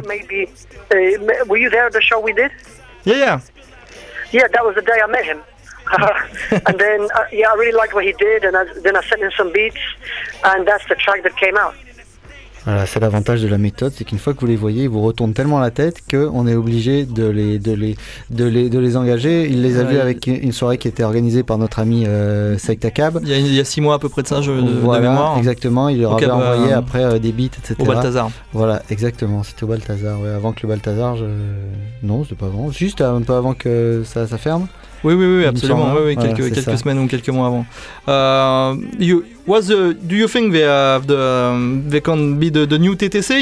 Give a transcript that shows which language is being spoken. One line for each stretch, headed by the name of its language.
English: Like maybe were you there at the show we did? Yeah. Yeah, that was the day I met him. And then I really liked what he did, and then I sent him some beats, and that's the track that came out.
French: Voilà, c'est l'avantage de La Méthode, c'est qu'une fois que vous les voyez, ils vous retournent tellement la tête qu'on est obligé de les engager. Il les a vus avec une soirée qui était organisée par notre ami Selector Cab. Il y a 6 mois à peu près de ça, exactement, il leur avait envoyé après des beats, etc. Au Balthazar. Voilà, exactement, c'était au Balthazar. Ouais, avant que le Balthazar, non, c'était pas avant, juste un peu avant que ça ferme. Oui, absolument. Oui, quelques semaines ou quelques mois avant.
English: Do you think they have they can be the new TTC?